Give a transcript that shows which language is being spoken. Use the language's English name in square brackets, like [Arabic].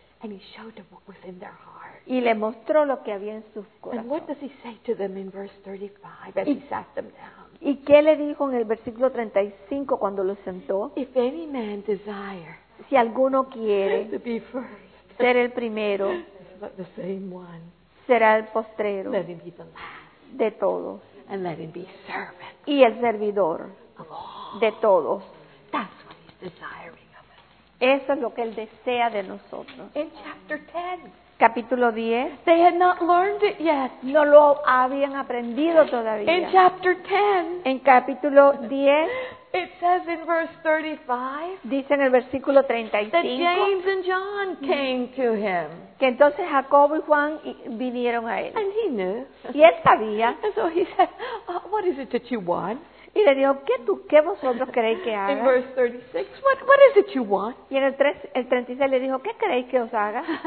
[English] And he showed them what was in their heart. [Spanish] Y le mostró lo que había en sus corazones. [English] And what does he say to them in verse 35 as he sat them down? [Spanish] ¿Y qué le dijo en el versículo 35 cuando lo sentó? [English] If any man desire, [Spanish] si alguno quiere [English] to be first, [Spanish] ser el primero, [English] but the same one, [Spanish] será el postrero, [English] let him be the last, [Spanish] de todos, [English] and let him be servant, [Spanish] y el servidor [English] of all, [Spanish] de todos. [English] That's what he's desiring of us. [Spanish] Eso es lo que Él desea de nosotros. [English] In chapter 10. [Spanish] Capítulo 10. [English] They had not learned it yet. [Spanish] No lo habían aprendido todavía. [English] In chapter 10. [Spanish] En capítulo 10. [English] It says in verse 35. [Spanish] Dice en el versículo 35. [English] That James and John came to him. [Spanish] Que entonces Jacobo y Juan vinieron a él. [English] And he knew. [Spanish] Y él sabía. [English] And so he said, oh, what is it that you want? [Spanish] Y le dijo, ¿qué vosotros creéis que haga? [English] In verse 36, what is it you want? [Spanish] Y en el 36 le dijo, ¿qué creéis que os haga?